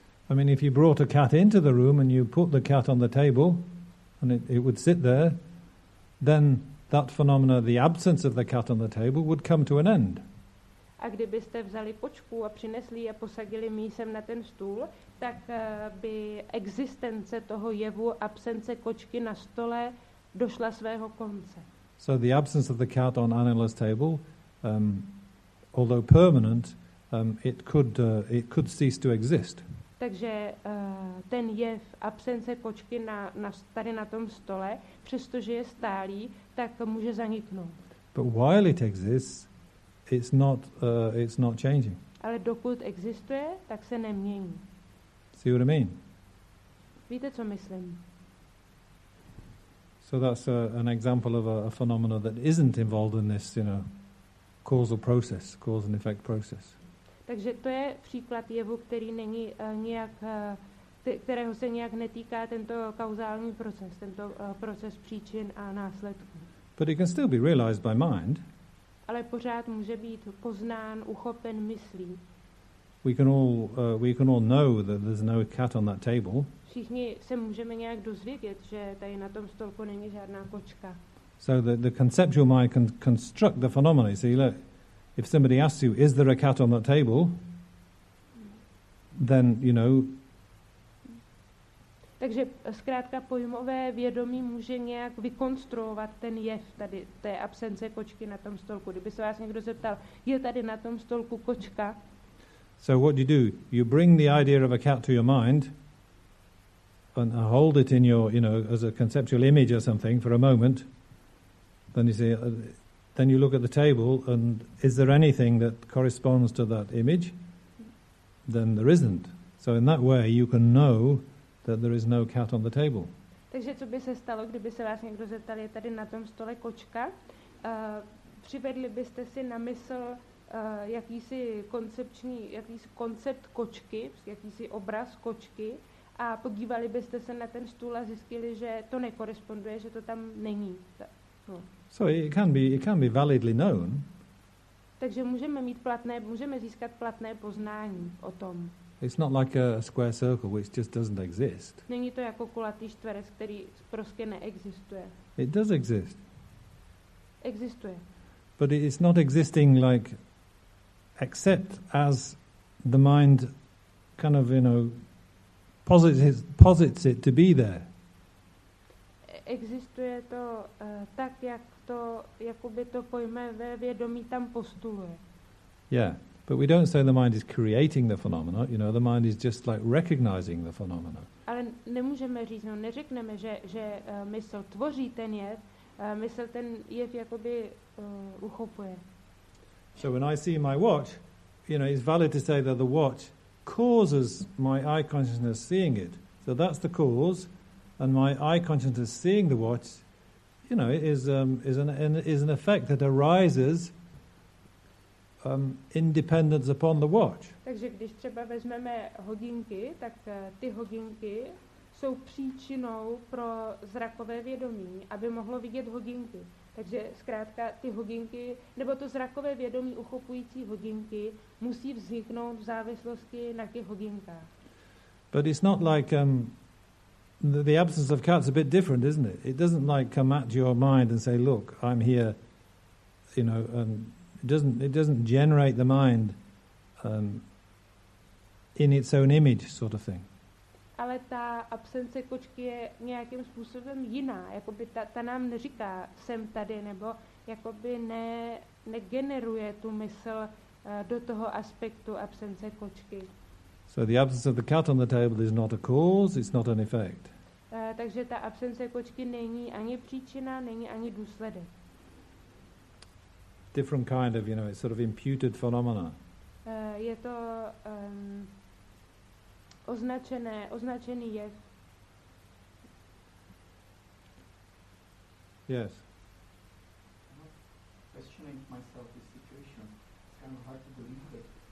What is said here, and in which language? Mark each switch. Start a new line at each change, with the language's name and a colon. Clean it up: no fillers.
English: I mean, if you brought a cat into the room and you put the cat on the table and it would sit there, then that phenomena, the absence of the cat on the table, would come to an end.
Czech: A kdybyste vzali kočku a přinesli a posadili mísem na ten stůl, tak by existence toho jevu, absence kočky na stole, došla svého konce.
English: So the absence of the cat on Anila's table, although permanent, it could cease to exist.
Czech: Takže ten jev absence kočky tady na tom stole, přestože je stálý, tak může zaniknout.
English: But while it exists, it's not changing.
Czech: Ale dokud existuje, tak se nemění.
English: See what I mean?
Czech: Víte, co myslím?
English: So that's an example of a phenomenon that isn't involved in this, you know, causal process, cause and effect process.
Czech: Takže to je příklad jevu, který není nějak, kterého se nějak netýká tento kauzální proces, tento proces příčin a následků.
English: But it can still be realized by mind.
Czech: Ale pořád může být poznán, uchopen myslí.
English: We can all know that there's no cat on that table.
Czech: Všichni se můžeme nějak dozvědět, že tady na tom stolku není žádná kočka.
English: So the conceptual mind can construct the phenomena. See, look, if somebody asks you, is there a cat on that table? Then, you know.
Czech: Takže zkrátka pojmové vědomí může nějak vykonstruovat ten jev tady, té absence kočky na tom stolku. Kdyby se vás někdo zeptal, je tady na tom stolku kočka?
English: So what do? You bring the idea of a cat to your mind. and hold it in your, you know, as a conceptual image or something for a moment, then you see, then you look at the table, and is there anything that corresponds to that image? Then there isn't. So in that way, you can know that there is no cat on the table.
Czech: Takže co by se stalo, kdyby se vás někdo zeptal, je tady na tom stole kočka? Přivedli byste si na mysl jakýsi koncept kočky, jakýsi obraz kočky a podívali byste se na ten stůl a zjistili, že to nekoresponduje, že to tam není.
English: So it can be validly known.
Czech: Takže můžeme získat platné poznání o tom.
English: It's not like a square circle which just doesn't exist.
Czech: Není to jako kulatý čtverec, který prostě neexistuje.
English: It does exist.
Czech: Existuje.
English: But it's not existing like except as the mind kind of, you know, posits it to be there.
Czech: Existuje to tak, jak to jakoby to pojme ve vědomí tam postuluje.
English: Yeah. But we don't say the mind is creating the phenomena, you know, the mind is just like recognizing the phenomena.
Czech: Ale nemůžeme říct, no, neřekneme, že mysl tvoří ten jev, mysl ten jev jakoby uchopuje.
English: So when I see my watch, you know, it's valid to say that the watch causes my eye consciousness seeing it. So that's the cause, and my eye consciousness seeing the watch, you know, is an effect that arises independence upon the watch.
Czech: Takže když třeba vezmeme hodinky, tak ty hodinky jsou příčinou pro zrakové vědomí, aby mohlo vidět hodinky. Takže zkrátka ty hodinky, nebo to zrakové vědomí uchopující hodinky, musí vzniknout v závislosti na těch hodinkách.
English: But it's not like the absence of cats a bit different, isn't it? It doesn't like come at your mind and say, look, I'm here, you know, and It doesn't generate the mind in its own image, sort of thing.
Czech: Ale ta absence kočky je nějakým způsobem jiná. Jakoby ta nám neříká, jsem tady, nebo jakoby negeneruje tu mysl do toho aspektu absence kočky.
English: So the absence of the cat on the table is not a cause, it's not an effect.
Czech: Takže ta absence kočky není ani příčina, není ani důsledek.
English: Different kind of, you know, it's sort of imputed phenomena.
Czech: Je to označený jev.
English: Yes. I'm not questioning myself this situation. It's kind of hard to believe it.